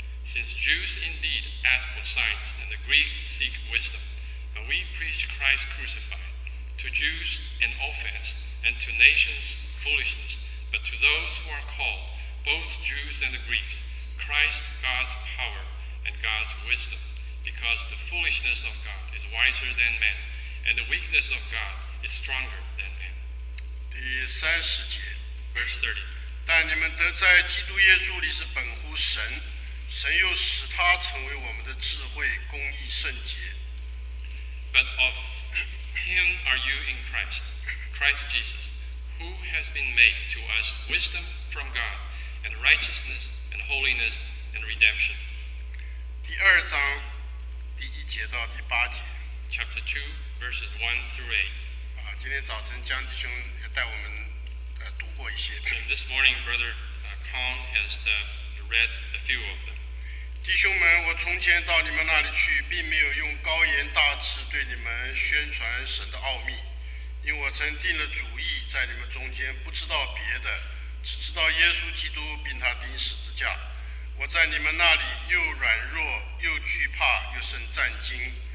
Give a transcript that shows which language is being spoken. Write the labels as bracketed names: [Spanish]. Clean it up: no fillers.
[English] Since Jews indeed ask for signs and the Greeks seek wisdom, but we preach Christ crucified, to Jews an offense and to nations foolishness, but to those who are called, both Jews and the Greeks, Christ God's power and God's wisdom. Because the foolishness of God is wiser than man, and the weakness of God is stronger than man. [Chinese] 第三十节 [English] Verse 30. [Chinese] 但你们得在基督耶稣里是本乎神，神又使他成为我们的智慧、公义、圣洁。 [English] But of him are you in Christ, Christ Jesus, who has been made to us wisdom from God, and righteousness, and holiness, and redemption. [Chinese] 第二章第一节到第八节 [English] Chapter 2, verses 1 through 8、 [Chinese] 今天早晨江弟兄也带我们、读过一些 [English] And this morning, Brother Kong has read a few of them [Chinese] 弟兄们我从前到你们那里去并没有用高言大志对你们宣传神的奥秘因为我曾定了主意在你们中间不知道别的只知道耶稣基督并他钉十字架我在你们那里又软弱又惧怕又甚战惊